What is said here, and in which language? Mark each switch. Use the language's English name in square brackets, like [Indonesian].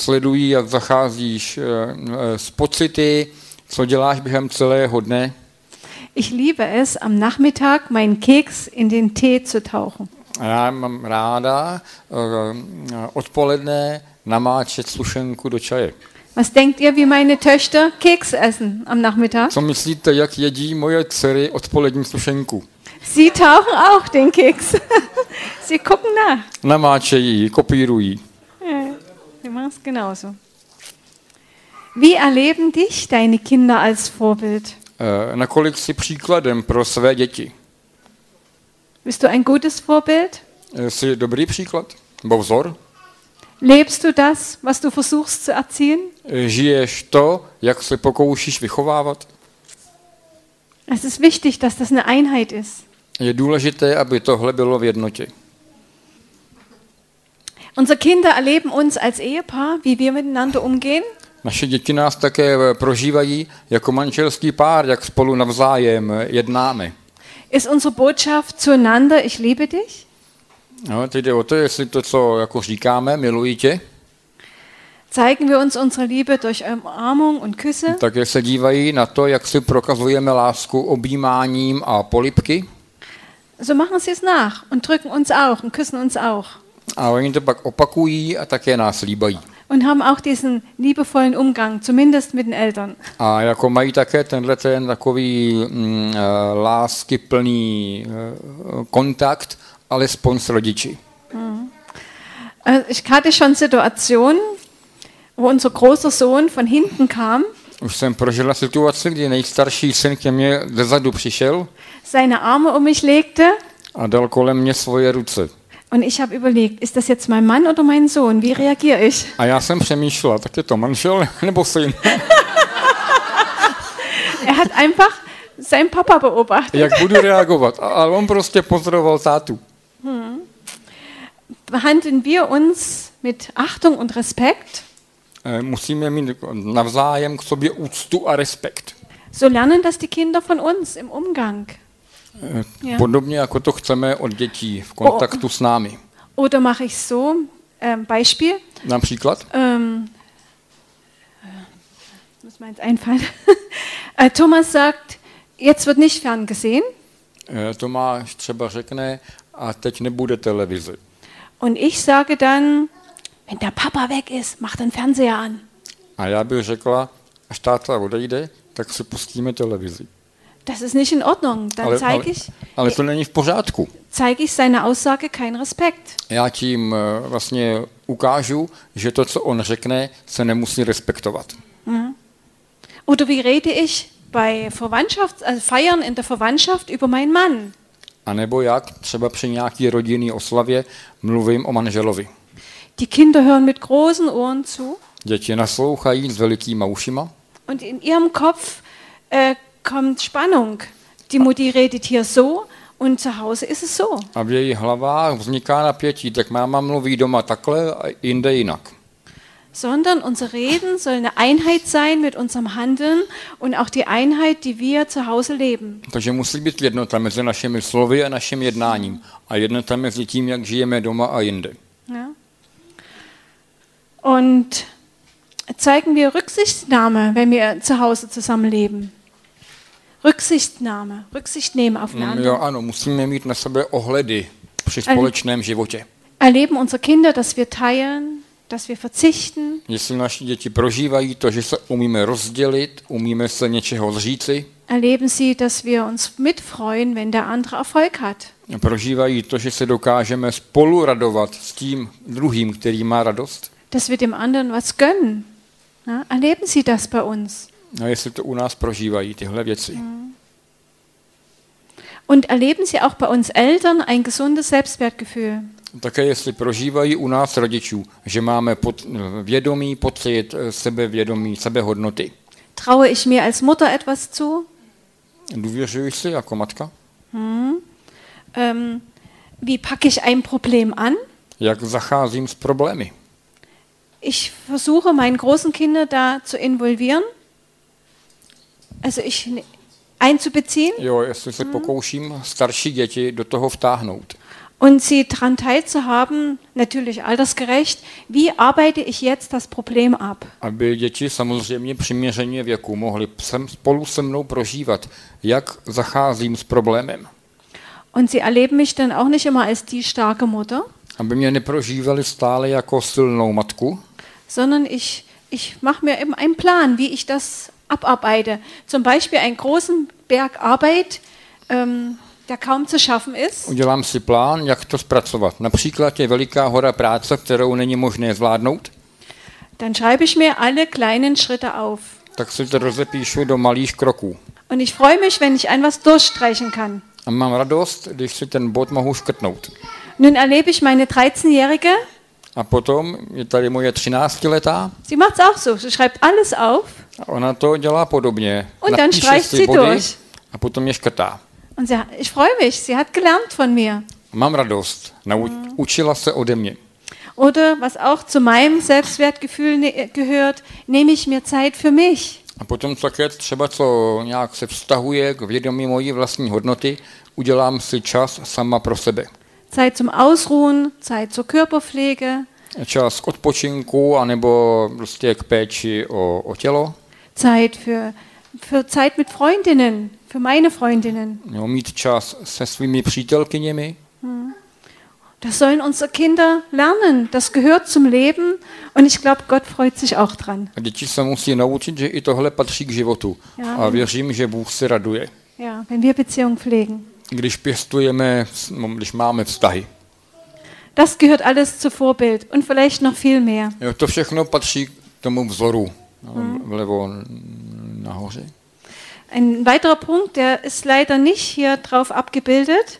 [Czech] Sledují, jak zacházíš s pocity, co děláš během celého dne. [German] Ich liebe es, am Nachmittag meinen Keks in den Tee zu tauchen. [Czech] Já mám ráda odpoledne namáčet sušenku do čaje. [German] Was denkt ihr, wie meine Töchter Keks essen am Nachmittag? [Czech] Co myslíte, jak jedí moje dcery odpolední sušenku? [German] Sie tauchen auch den Keks. Sie gucken nach. [Czech] Namáčejí, kopírují. [German] Ja, sie machen es genauso. Wie erleben dich deine Kinder als Vorbild? [Czech] Nakolik jsi příkladem pro své děti? [German] Bist du ein gutes Vorbild? [Czech] Jsi dobrý příklad? Nebo vzor? [German] Lebst du das, was du versuchst zu erziehen? [Czech] Žiješ to, jak se pokoušíš vychovávat? [German] Es ist wichtig, dass das eine Einheit ist. [Czech] Je důležité, aby tohle bylo v jednotě. [German] Unsere Kinder erleben uns als Ehepaar, wie wir miteinander umgehen. [Czech] Naše děti nás také prožívají jako manželský pár, jak spolu navzájem jednáme. [German] Ist unsere Botschaft zueinander, ich liebe dich? [Czech] No, teď jde o to, jestli to, co jako říkáme, miluji tě. [German] Zeigen wir uns unsere Liebe durch Umarmung und Küsse? [Czech] Tak se dívají na to, jak si prokazujeme lásku objímáním a polibky. [German] So machen sie es nach und drücken uns auch und küssen uns auch. [Czech] A oni to pak opakují a také nás líbají. [German] Und haben auch diesen liebevollen Umgang, zumindest mit den Eltern. [Czech] A jako mají také tenhle ten takový láskyplný kontakt, alespoň s rodiči. [German] Ich hatte schon Situationen, wo unser großer Sohn von hinten kam. [Czech] Už jsem prožila situaci, kdy nejstarší syn ke mně zezadu přišel. [German] Seine Arme um mich legte. [Czech] A dal kolem mě svoje ruce. [German] Und ich habe überlegt, ist das jetzt mein Mann oder mein Sohn? Wie reagiere ich? [Czech] A já jsem přemýšlela, tak je to manžel nebo syn? [German] Er hat einfach seinen Papa beobachtet. [Czech] Jak budu reagovat? A on prostě pozoroval tátu. [German] Behandeln wir uns mit Achtung und Respekt? [Czech] Musíme mít navzájem k sobě úctu a respekt. [German] So lernen das die Kinder von uns im Umgang. [Czech] Podobně jako to chceme od dětí v kontaktu s námi. [German] Oder mache ich so, Beispiel. [Czech] Například? [German] Muss mir jetzt einfallen. Thomas sagt, Jetzt wird nicht fern gesehen. [Czech] Tomáš třeba řekne, a teď nebude televize. [German] Und ich sage dann, wenn der Papa weg ist, mach den Fernseher an. [Czech] A já bych řekla, až táta odejde, tak si pustíme televizi. [German] Das ist nicht in Ordnung, dann zeige ich. [Czech] Ale to není v pořádku. [German] Zeige ich seine Aussage keinen Respekt. [Czech] Já tím vlastně ukážu, že to, co on řekne, se nemusí respektovat. Mhm. [German] Oder wie rede ich bei Feiern in der Verwandtschaft über meinen Mann? [Czech] A nebo jak třeba při nějaký rodinný oslavě mluvím o manželovi. [German] Die Kinder hören mit großen Ohren zu. [Czech] Děti naslouchají s velikýma ušima. [German] Und in ihrem Kopf kommt Spannung. Die Mutti redet hier so und zu Hause ist es so. [Czech] A v jejich hlavách vzniká napětí, tak máma mluví doma takhle a jinde jinak. [German] Sondern unser Reden soll eine Einheit sein mit unserem Handeln und auch die Einheit, die wir zu Hause leben. [Czech] Takže musí být jednota mezi našimi slovy a naším jednáním a jednota mezi tím, jak žijeme doma a jinde. [German] Ja. Und zeigen wir Rücksichtnahme, wenn wir zu Hause zusammen leben. Rücksichtnahme, Rücksicht nehmen aufeinander. [Czech] Jo, ano, musíme mít na sebe ohledy při společném životě. [German] Erleben unsere Kinder, dass wir teilen, dass wir verzichten. [Czech] Jestli naši děti prožívají to, že se umíme rozdělit, umíme se něčeho zříci. [German] Erleben sie, dass wir uns mitfreuen, wenn der andere Erfolg hat. [Czech] Prožívají to, že se dokážeme spolu radovat s tím druhým, který má radost. [German] Dass wir dem anderen was gönnen. Ja? Erleben sie das bei uns. [Czech] No, jestli to u nás prožívají tyhle věci. [German] Und erleben sie auch bei uns Eltern ein gesundes Selbstwertgefühl. [Czech] Také jestli prožívají u nás rodičů, že máme vědomí, pocit, sebevědomí, sebehodnoty. [German] Traue ich mir als Mutter etwas zu? [Czech] Důvěřuji si jako matka? [German] Wie packe ich ein Problem an? [Czech] Jak zacházím s problémy? [German] Ich versuche meinen großen Kinder da zu involvieren. Also ich einzubeziehen? [Czech] Jo, jestli se pokouším starší děti do toho vtáhnout. [German] Und sie daran teilzuhaben, natürlich altersgerecht, wie arbeite ich jetzt das Problem ab? [Czech] Aby děti samozřejmě přiměřeně věku mohli spolu se mnou prožívat, jak zacházím s problémem. [German] Und sie erleben mich dann auch nicht immer als die starke Mutter? [Czech] Aby mě neprožívali stále jako silnou matku? [German] Sondern ich mache mir eben einen Plan, wie ich das abarbeite. Zum Beispiel einen großen Berg Arbeit, der kaum zu schaffen ist. [Czech] Udělám si plán, jak to zpracovat. Například je veliká hora práce, kterou není možné zvládnout. [German] Dann schreibe ich mir alle kleinen Schritte auf. [Czech] Tak si to rozepíšu do malých kroků. [German] Und ich freue mich, wenn ich ein was durchstreichen kann. [Czech] A mám radost, když si ten bod mohu škrtnout. [German] Nun erlebe ich meine 13-jährige. [Czech] A potom je tady moje 13-letá. [German] Sie macht es auch so, sie schreibt alles auf. [Czech] A ona to dělá podobně. [German] Und dann streicht sie durch. [Czech] A potom je škrtá. [German] Und sie, ich freue mich, sie hat gelernt von mir. [Czech] Mám radost, učila se ode mě. [German] Oder was auch zu meinem Selbstwertgefühl gehört, nehme ich mir Zeit für mich. [Czech] A potom také třeba, co nějak se vztahuje k vědomí mojí vlastní hodnoty, udělám si čas sama pro sebe. [German] Zeit zum Ausruhen, Zeit zur Körperpflege. [Czech] Čas k odpočinku, anebo prostě k péči o tělo. [German] Zeit für Zeit mit Freundinnen, für meine Freundinnen. [Czech] Jo, mít čas se svými přítelkyněmi. [German] Das sollen unsere Kinder lernen, das gehört zum Leben und ich glaube, Gott freut sich auch dran. [Czech] A děti se musí naučit, že i tohle patří k životu. Ja, a věřím, že Bůh se raduje. [German] Ja, wenn wir Beziehung pflegen. [Czech] Když pěstujeme, když máme vztahy. [German] Das gehört alles zu Vorbild und vielleicht noch viel mehr. [Czech] Jo, to všechno patří k tomu vzoru. Vlevo nahoře. [German] Ein weiterer Punkt, der ist leider nicht hier drauf abgebildet.